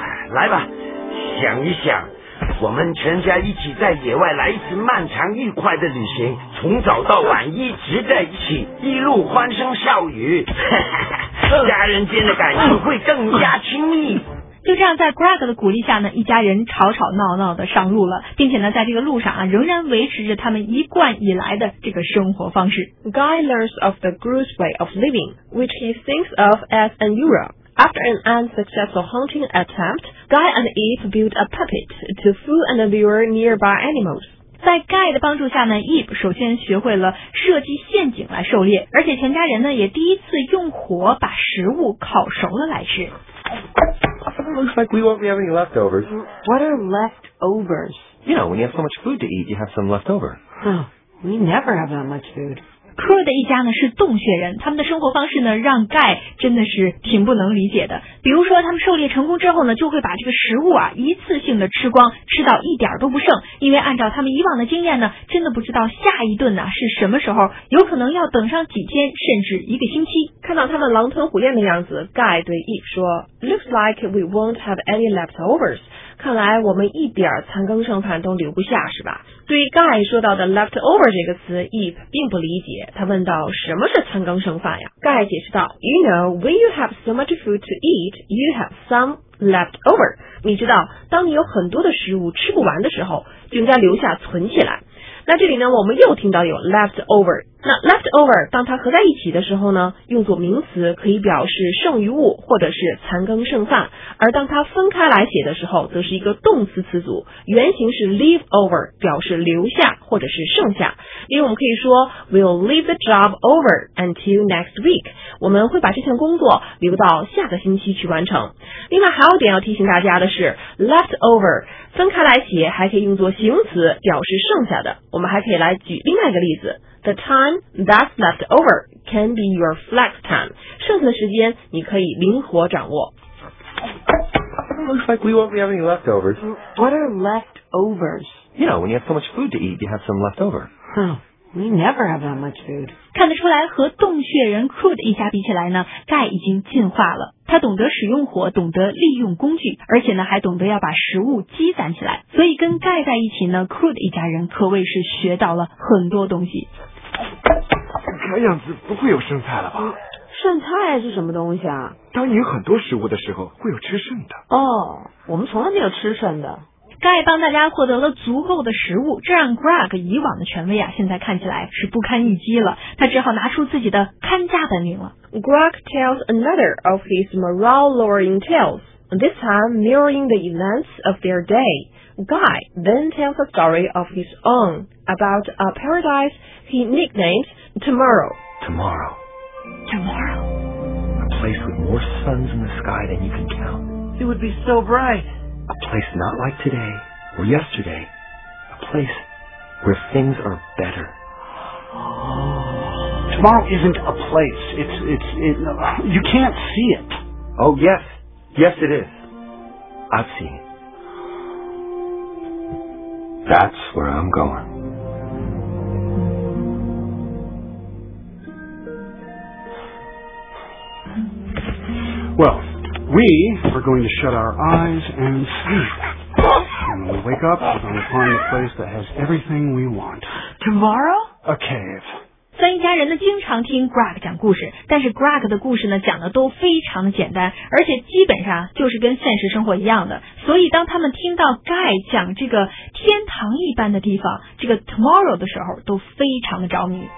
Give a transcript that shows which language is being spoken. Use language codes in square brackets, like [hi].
[zh] 来吧，想一想，我们全家一起在野外来一次漫长愉快的旅行，从早到晚一直在一起，一路欢声笑语，家人间的感情会更加亲密。就这样在 Greg 的鼓励下呢，一家人吵吵闹闹的上路了，并且呢在这个路上啊仍然维持着他们一贯以来的这个生活方式。 [en] Guy learns of the Gru's way of living, which he thinks of as an era. After an unsuccessful hunting attempt, Guy and Eve build a puppet to fool and lure nearby animals. [zh] 在 Guy 的帮助下呢， Eve 首先学会了设计陷阱来狩猎，而且全家人呢也第一次用火把食物烤熟了来吃。 [en] Looks like we won't be having any leftovers. What are leftovers? You know, when you have so much food to eat, you have some leftover. Oh, we never have that much food. [zh] Crew 的一家呢是洞穴人，他们的生活方式呢让 Guy 真的是挺不能理解的。比如说他们狩猎成功之后呢，就会把这个食物啊一次性的吃光，吃到一点都不剩。因为按照他们以往的经验呢，真的不知道下一顿呢是什么时候，有可能要等上几天甚至一个星期。看到他们狼吞虎咽的样子， Guy 对 Eve 说 [en] Looks like we won't have any leftovers. [zh] 看来我们一点残羹剩饭都留不下是吧。对于 Guy 说到的 leftover 这个词， Eve 并不理解，他问道什么是残羹剩饭呀。 [en] Guy [zh] 解释道 [en] You know, when you have so much food to eat, you have some leftover. [zh] 你知道当你有很多的食物吃不完的时候，就应该留下存起来。那这里呢我们又听到有 leftover，那 leftover 当它合在一起的时候呢，用作名词可以表示剩余物或者是残羹剩饭，而当它分开来写的时候则是一个动词词组，原型是 leave over， 表示留下或者是剩下。例如我们可以说 [en] we'll leave the job over until next week， [zh] 我们会把这项工作留到下个星期去完成。另外还有点要提醒大家的是， leftover 分开来写还可以用作形容词表示剩下的。我们还可以来举另外一个例子， [en] The time that's left over can be your flex time. [zh] 剩下的时间你可以灵活掌握。 [en] Looks like we won't be having any leftovers. What are leftovers? You know, when you have so much food to eat, you have some leftover. We never have that much food. [zh] 看得出来和洞穴人 Crude 一家比起来呢，盖已经进化了。他懂得使用火，懂得利用工具，而且呢还懂得要把食物积攒起来，所以跟盖在一起呢 Crude 一家人可谓是学到了很多东西。看样子不会有剩菜了吧？剩菜是什么东西啊？当你有很多食物的时候会有吃剩的。哦，我们从来没有吃剩的。盖帮大家获得了足够的食物，这让 Greg 以往的权威啊，现在看起来是不堪一击了。他只好拿出自己的看家本领了。 [en] Greg tells another of his morale-lowering tales, this time mirroring the events of their day. Guy then tells a story of his own about a paradise he nicknamed Tomorrow. Tomorrow. Tomorrow. A place with more suns in the sky than you can count. It would be so bright. A place not like today or yesterday. A place where things are better. Tomorrow isn't a place. It's you can't see it. Oh, yes. Yes, it is. I've seen it. That's where I'm going. Well... We are going to shut our eyes and sleep. And when we wake up, we're going to find a place that has everything we want. Tomorrow? A cave. [zh] 三一家人呢经常听 Greg 讲故事，但是 Greg 的故事呢讲的都非常的简单，而且基本上就是跟现实生活一样的。所以当他们听到 Guy 讲这个天堂一般的地方，这个 tomorrow 的时候，都非常的着迷。